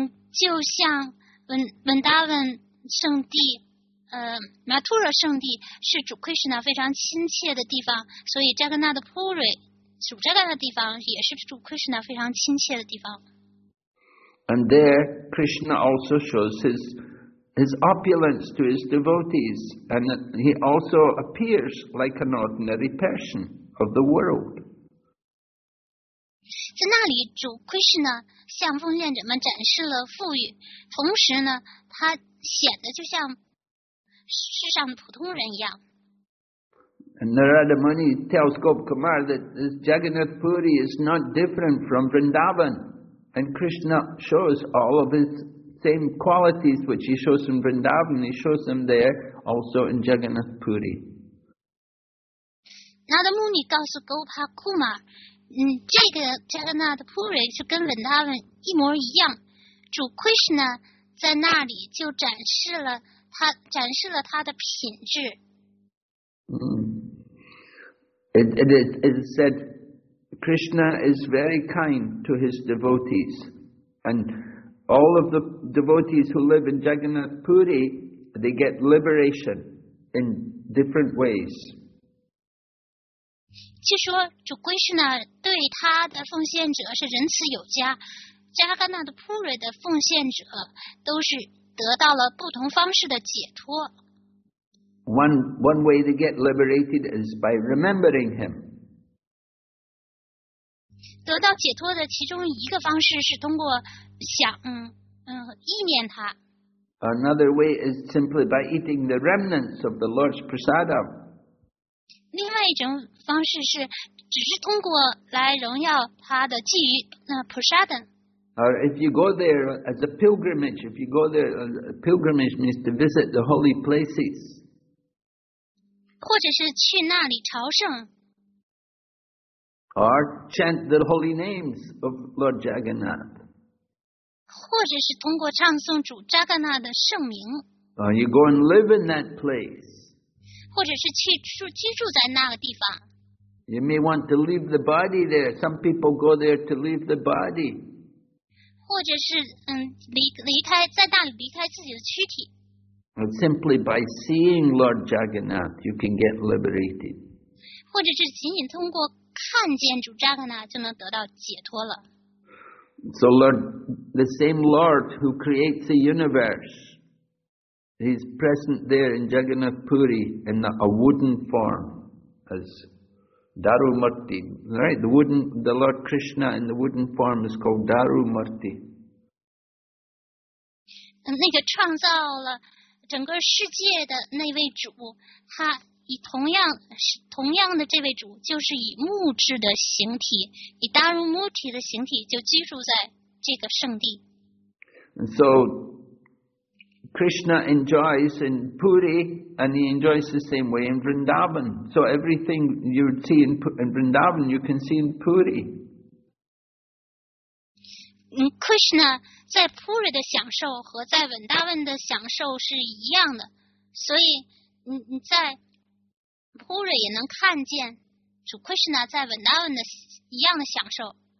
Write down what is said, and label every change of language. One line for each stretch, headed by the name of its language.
Chinese: 就像 Vrindavan圣地，马图拉圣地是主 Krishna 非常亲切的地方，所以扎格纳的 Puri 主扎格纳的地方也是主 Krishna 非常亲切的地方。
English: And there Krishna also shows his opulence to his devotees, and he also appears like an ordinary person of the world.
Chinese: 在那里，主 Krishna 向奉献者们展示了富裕，同时呢，他显得就像世上的普通人一样。
English: And Narada Muni tells Gop Kumar that this Jagannath Puri is not different from Vrindavan, and Krishna shows all of his same qualities which he shows in Vrindavan, he shows them there also in Jagannath Puri.
Chinese: Narada Muni 告诉 Gopa Kumar， 这个 Jagannath Puri 是跟 Vrindavan 一模一样，主 Krishna。在那里就展示了他的品质。
English: It is said Krishna is very kind to his devotees, and all of the devotees who live in Jagannath Puri, they get liberation in different ways.
Chinese: 据说主 Krishna 对他的奉献者是仁慈有加。加格纳的普瑞的奉献者都是得到了不同方式的解脱。
English: One way to get liberated is by remembering him.
Chinese: 得到解脱的其中一个方式是通过想意念他。
English: Another way is simply by eating the remnants of the Lord's prasadam.
Chinese: 另外一种方式是只是通过来荣耀他的觊觎prasadam。
English: Or if you go there as a pilgrimage, if you go there, a pilgrimage means to visit the holy places.
Chinese: 或者是去那里朝圣。
English: Or chant the holy names of Lord Jagannath.
Chinese: 或者是通过唱诵主扎格纳的圣名。
English: Or you go and live in that place.
Chinese: 或者是去居住在那个地方。
English: You may want to leave the body there. Some people go there to leave the body.
Chinese: 或者是离开在那里离开自己的躯体。
English: And simply by seeing Lord Jagannath, you can get liberated.
Chinese: 或者是仅仅通过看见主 Jagannath 就能得到解脱了。
English: So Lord, the same Lord who creates the universe, he's present there in Jagannath Puri in a wooden form as Daru Murti, right? The Lord Krishna in the wooden form is called Daru Murti.
Chinese: 那个创造了整个世界的那位主，他以同样的这位主，就是以木质的形体，以 Daru Murti 的形体，就居住在这个圣地。
English: So Krishna enjoys in Puri, and he enjoys the same way in Vrindavan. So everything you would see in Vrindavan, you can see in Puri.
Chinese: Krishna 在 Puri 的享受和在 Vrindavan 的享受是一样的，所以你在 Puri 也能看见主 Krishna 在 Vrindavan 的一样的享受。